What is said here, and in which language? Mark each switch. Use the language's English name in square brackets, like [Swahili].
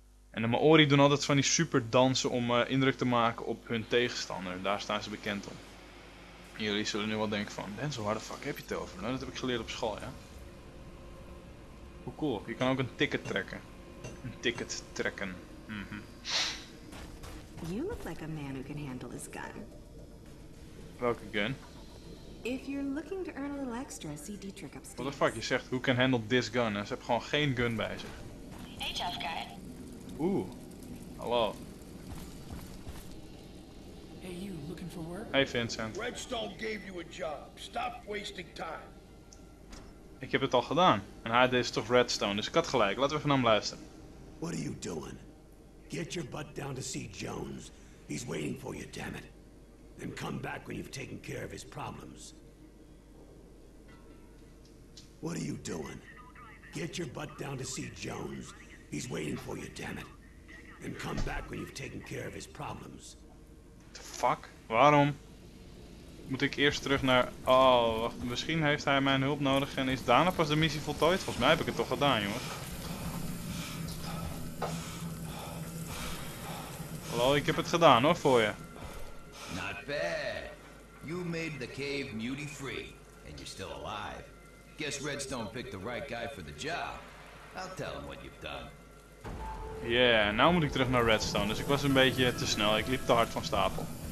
[Dutch] En de Maori doen altijd van die super dansen om indruk te maken op hun tegenstander. Daar staan ze bekend om. Jullie zullen nu wel denken van, Denzel, waar de fuck heb je het over? Nou, dat heb ik geleerd op school, ja. Hoe cool. Je kan ook een ticket trekken. Een ticket trekken. Mm-hmm. [English] You look like a man who can handle his gun. [Dutch] Welke gun? [English] If you're looking to earn a little extra, see Dietrich upstairs. What the fuck? [Dutch] Je zegt, [English] who can handle this gun? [Dutch] En ze hebben gewoon geen gun bij zich. HF guy. Oeh. Hallo. [English] Hey, you looking for work? Hey, Vincent. Redstone gave you a job. Stop wasting time. [Dutch] Ik heb het al gedaan. En hij deed toch Redstone, dus ik had gelijk. Laten we even naar hem luisteren. [English] What are you doing? Get your butt down to see Jones. He's waiting for you, dammit. Then come back when you've taken care of his problems. What are you doing? Get your butt down to see Jones. He's waiting for you, dammit. Then come back when you've taken care of his problems. The fuck? [Dutch] Waarom? Moet ik eerst terug naar... Oh, wacht. Misschien heeft hij mijn hulp nodig en is daarna pas de missie voltooid? Volgens mij heb ik het toch gedaan, jongens. Hallo, ik heb het gedaan hoor, voor je. [English] Not bad. You made the cave mutie free, and you're still alive. Guess Redstone picked the right guy for the job. I'll tell him what you've done. [Dutch] Yeah, nou moet ik terug naar Redstone, dus ik was een beetje te snel. Ik liep te hard van stapel.